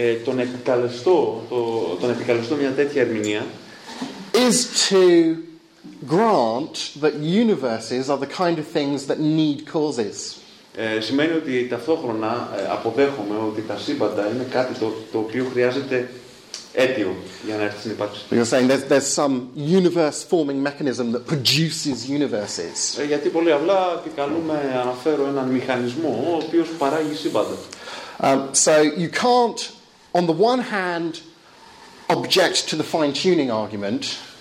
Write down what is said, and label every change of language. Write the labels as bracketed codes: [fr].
[el] τον επικαλεστώ μια τέτοια ερμηνεία, [en] is to grant that universes are the kind of things that need causes. [el] Σημαίνει ότι ταυτόχρονα αποδέχομαι ότι τα σύμπαντα είναι κάτι το οποίο χρειάζεται αίτιο για να έρθει στην ύπαρξη. [en] You're saying there's some universe-forming mechanism that produces universes. [el] Γιατί πολύ απλά επικαλούμε, αναφέρω έναν μηχανισμό ο οποίος παράγει σύμπαντα. [en] So you can't, on the one hand, object to the fine-tuning argument.